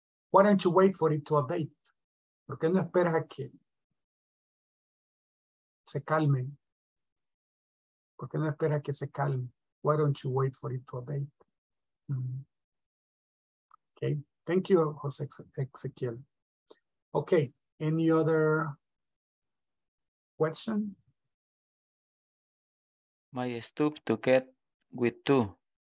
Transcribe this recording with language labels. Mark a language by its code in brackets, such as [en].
[en] Why don't you wait for it to abate? [es] ¿Por qué no esperas a que se calmen? ¿Por qué no esperas a que se calmen? [en] Why don't you wait for it to abate? Mm-hmm. Okay. Thank you, Jose Ezequiel. Okay. Any other question? My stoop to get with two.